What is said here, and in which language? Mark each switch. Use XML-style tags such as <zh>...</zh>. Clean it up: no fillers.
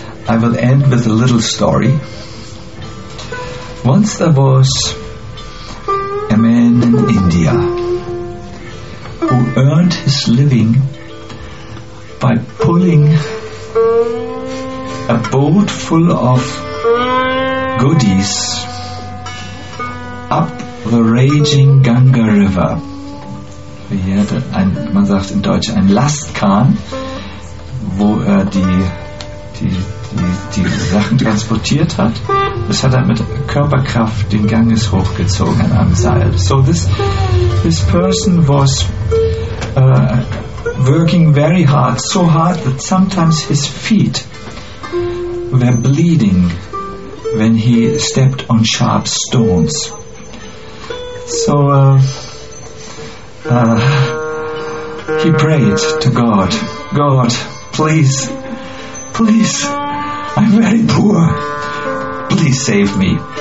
<en>I will end with a little story. Once there was a man in India who earned his living by pulling a boat full of goodies up the raging Ganga River. He had,</en> <de>man sagt in Deutsch, ein Lastkahn, wo er die Sachen transportiert hat. Das hat er mit Körperkraft den Ganges hochgezogen an einem Seil.</de> <en>So this person was working very hard, so hard that sometimes his feet were bleeding when he stepped on sharp stones. So he prayed to God, God, please, please, I'm very poor. Please save me.</en>